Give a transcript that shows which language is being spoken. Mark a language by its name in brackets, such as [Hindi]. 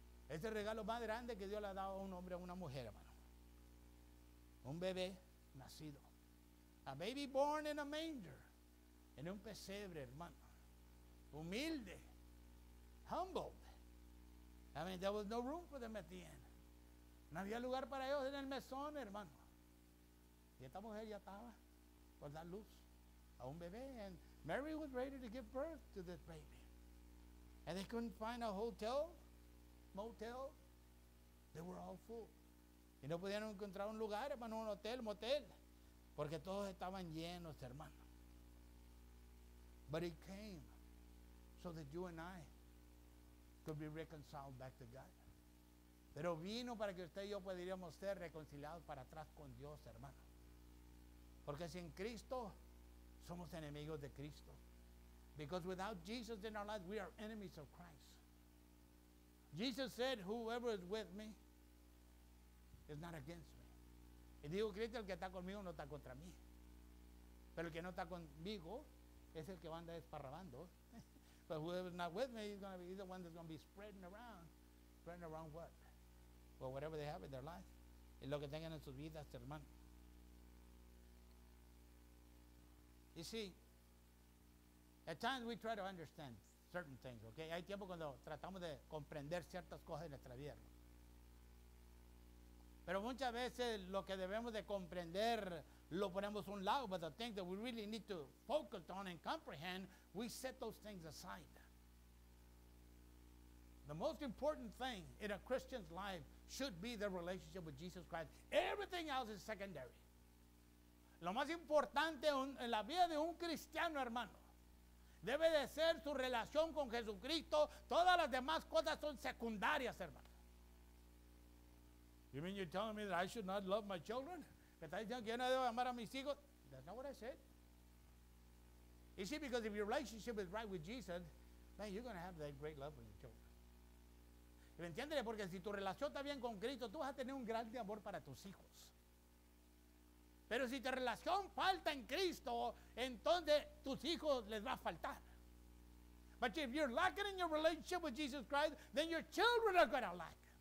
[Spanish] Es el regalo más grande que Dios le ha dado a un hombre o a una mujer, hermano. Un bebé nacido. [English] A baby born in a manger. [Spanish] En un pesebre, hermano. Humilde. Humbled. [English] I mean, there was no room for them at the end. [Spanish] No había lugar para ellos en el mesón, hermano. Y esta mujer ya estaba por dar luz a un bebé. [English] And Mary was ready to give birth to this baby. And they couldn't find a hotel, motel. They were all full. [Spanish] Y no pudieron encontrar un lugar, hermano, un hotel, motel. Porque todos estaban llenos, hermano. [English] But he came so that you and I could be reconciled back to God. [Spanish] Pero vino para que usted y yo pudiéramos ser reconciliados para atrás con Dios, hermano. Porque sin Cristo, somos enemigos de Cristo. [English] Because without Jesus in our lives, we are enemies of Christ. Jesus said, whoever is with me is not against me. [Spanish] Y digo, Cristo, el que está conmigo no está contra mí. Pero el que no está conmigo es el que va a andar esparrabando. [English] But whoever is not with me, he's the one that's going to be spreading around. Spreading around what? Well, whatever they have in their life. [Spanish] Es lo que tengan en sus vidas, hermano. [English] You see, at times we try to understand certain things, okay? [Spanish] Hay tiempo cuando tratamos de comprender ciertas cosas de nuestra vida. Pero muchas veces lo que debemos de comprender lo ponemos a un lado, [English] but the things that we really need to focus on and comprehend, we set those things aside. The most important thing in a Christian's life should be the relationship with Jesus Christ. Everything else is secondary. [Spanish] Lo más importante en la vida de un cristiano, hermano, debe de ser su relación con Jesucristo. Todas las demás cosas son secundarias, hermano. [English] You mean you're telling me that I should not love my children? [Spanish] ¿Me estás diciendo que yo no debo amar a mis hijos? [English] That's not what I said. You see, because if your relationship is right with Jesus, man, you're going to have that great love for your children. [Spanish] ¿Me entiendes? Porque si tu relación está bien con Cristo, tú vas a tener un gran amor para tus hijos. Pero si tu relación falta en Cristo, entonces tus hijos les va a faltar. [English] But if you're lacking in your relationship with Jesus Christ, then your children are going to lack.